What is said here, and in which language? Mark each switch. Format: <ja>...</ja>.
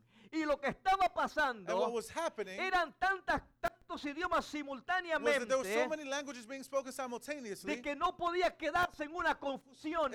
<es>Y lo que estaba pasando eran tantos idiomas simultáneamente</es> <en>was that there were so many languages being spoken simultaneously,</en> <es>de que no podía quedarse en una confusión.</es>